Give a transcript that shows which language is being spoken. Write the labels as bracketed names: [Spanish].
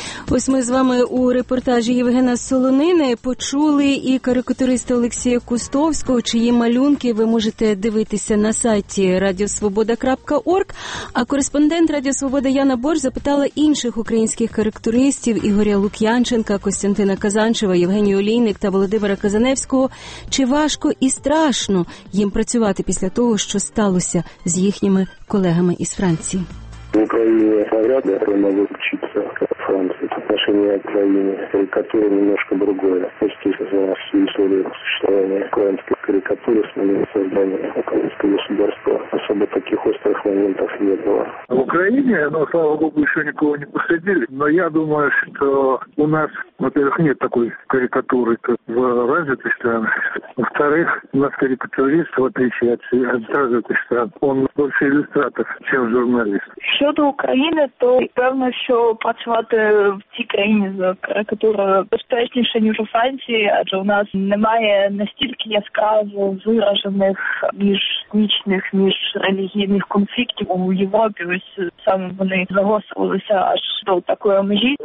[Ukrainian] Ось ми з вами у репортажі Євгена Солонини почули і карикатуриста Олексія Кустовського, чиї малюнки ви можете дивитися на сайті radiosvoboda.org, а кореспондент Радіо Свобода Яна Борж запитала інших українських карикатуристів Ігоря Лук'янченка, Костянтина Казанчева, Євгенія Олійник та Володимира Казаневського, чи важко і страшно їм працювати після того, що сталося з їхніми колегами із Франції. В Україні навряд ли треба вивчитися в Франції. [Russian] В отношении України карикатура немножко другое. Пусть за всю історію существования украинской карикатуры с момента создания украинского государства особо таких острых моментов не было. В Украине, слава богу, еще никого не посадили, но я думаю, что у нас, во-первых, нет такой карикатуры, как в развитых странах. Во-вторых, у нас карикатурист, в отличие от развитых стран, он больше иллюстратор, чем журналист. [Ukrainian] Щодо України, то, певно, що працювати в цій країні, яка безпечніша, ніж у Франції, адже у нас немає настільки яскраво виражених міжнічних, міжрелігійних конфліктів у Європі. Ось саме вони загострилися аж до такої межі.